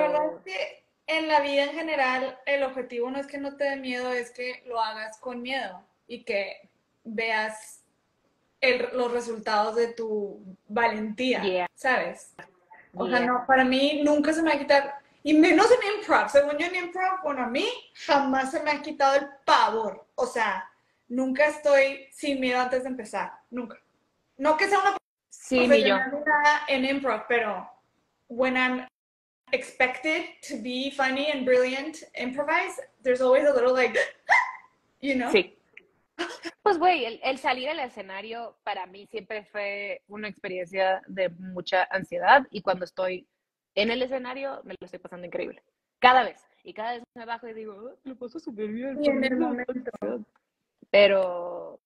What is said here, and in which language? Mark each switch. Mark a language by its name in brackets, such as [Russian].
[Spanish] La verdad es que en la vida en general, el objetivo no es que no te dé miedo, es que lo hagas con miedo y que veas los resultados de tu valentía, [English] yeah. [Spanish] ¿Sabes? O yeah. Sea, no, para mí nunca se me va a quitar, y menos en improv, según yo en improv, bueno, a mí jamás se me ha quitado el pavor, o sea, nunca estoy sin miedo antes de empezar, nunca. No que sea una persona en improv, pero [English] when I'm expected to be funny and brilliant improvise, there's always a little like, you know? [Spanish] Sí. Pues, güey, el salir al escenario para mí siempre fue una experiencia de mucha ansiedad y cuando estoy en el escenario me lo estoy pasando increíble. Cada vez. Y cada vez me bajo y digo, lo paso súper bien. Y en el momento. Pero